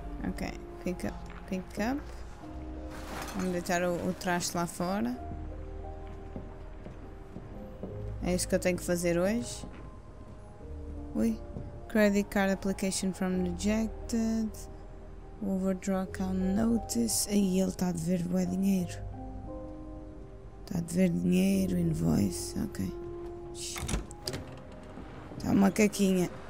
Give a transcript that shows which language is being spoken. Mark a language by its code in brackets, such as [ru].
[en] Okay, pick up, pick up. [pt] Vamos deixar o traste lá fora. É isso que eu tenho que fazer hoje. [en] Ui, credit card application from rejected. Overdraw account notice. [pt] Aí ele está a dever bué dinheiro. Está a dever dinheiro, invoice. Ok. Está uma caquinha.